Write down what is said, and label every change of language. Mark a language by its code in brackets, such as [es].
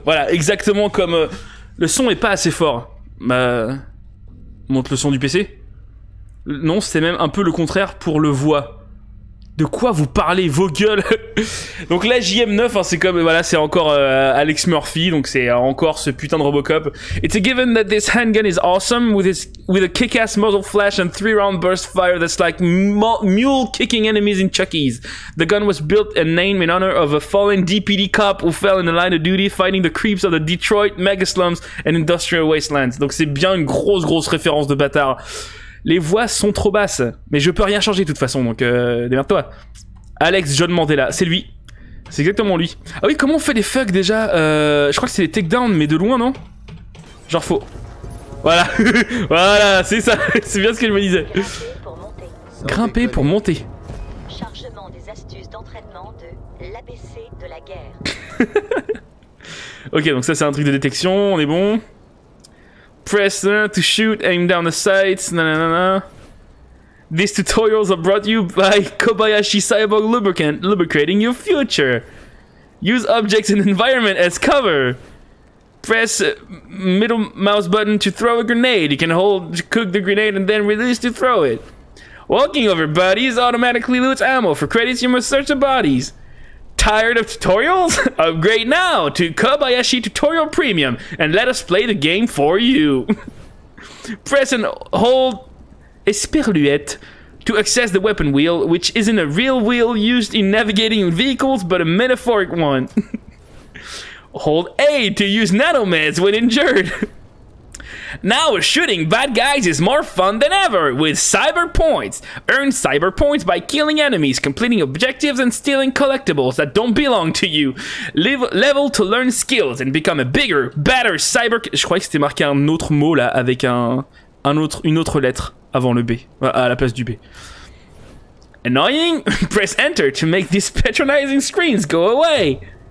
[fr] Voilà, exactement comme. Le son est pas assez fort. Montre le son du PC. Non, c'est même un peu le contraire pour le voix. De quoi vous parlez, vos gueules? Donc la JM9, hein, c'est comme, voilà, c'est encore Alex Murphy, donc c'est encore ce putain de Robocop. [en] It's a given that this handgun is awesome, with a kick-ass muzzle flash and 3-round burst fire that's like mule-kicking enemies in Chucky's. The gun was built and named in honor of a fallen DPD cop who fell in the line of duty fighting the creeps of the Detroit megaslums and industrial wastelands. [fr] Donc c'est bien une grosse référence de bâtard. Les voix sont trop basses, mais je peux rien changer de toute façon, donc démerde-toi. Alex John Mandela, c'est lui. C'est exactement lui. Ah oui, comment on fait les fucks déjà? Je crois que c'est les takedown, mais de loin, non? Genre faux. Voilà, voilà, c'est ça, c'est bien ce que je me disais. Grimper pour monter. Chargement des astuces d'entraînement de l'ABC de la guerre. Ok, donc ça c'est un truc de détection, on est bon. [en] Press to shoot, aim down the sights, nanana. These tutorials are brought to you by Kobayashi Cyborg Lubricant, lubricating your future. Use objects and environment as cover. Press middle mouse button to throw a grenade. You can hold to cook the grenade and then release to throw it. Walking over bodies automatically loots ammo. For credits, you must search the bodies. Tired of tutorials? Upgrade now to Kobayashi Tutorial Premium and let us play the game for you. Press and hold Esperluette to access the weapon wheel, which isn't a real wheel used in navigating vehicles, but a metaphoric one. Hold A to use nanomeds when injured. Now shooting bad guys is more fun than ever with cyber points. Earn cyber points by killing enemies, completing objectives and stealing collectibles that don't belong to you. Level to learn skills and become a bigger, better cyber... [fr] Je crois que c'était marqué un autre mot là avec une autre lettre avant le B, à la place du B. [en] Annoying? Press enter to make these patronizing screens go away.